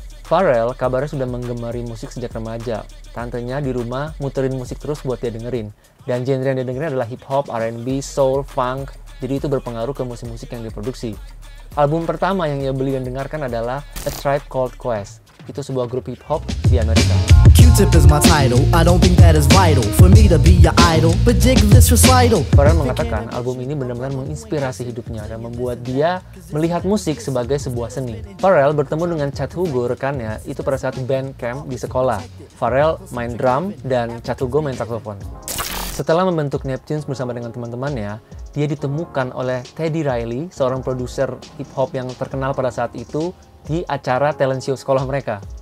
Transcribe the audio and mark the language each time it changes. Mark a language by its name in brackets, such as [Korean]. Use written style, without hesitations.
[Indonesian] Pharrell kabarnya sudah menggemari musik sejak remaja. Tantenya di rumah muterin musik terus buat dia dengerin. Dan genre yang dia dengerin adalah hip-hop, R&B, soul, funk, jadi itu berpengaruh ke musik-musik yang diproduksi. Album pertama yang ia beli dan dengarkan adalah A Tribe Called Quest. Itu sebuah grup hip hop di Amerika. [English] Q-Tip is my title. I don't think that is vital for me to be your idol. But dig this recital. [Indonesian] Pharrell mengatakan album ini benar-benar menginspirasi hidupnya dan membuat dia melihat musik sebagai sebuah seni. Pharrell bertemu dengan Chad Hugo, rekannya, itu pada saat band camp di sekolah. Pharrell main drum dan Chad Hugo main saxophone. Setelah membentuk Neptunes bersama dengan teman-temannya, dia ditemukan oleh Teddy Riley, seorang produser hip hop yang terkenal pada saat itu, di acara talent show sekolah mereka.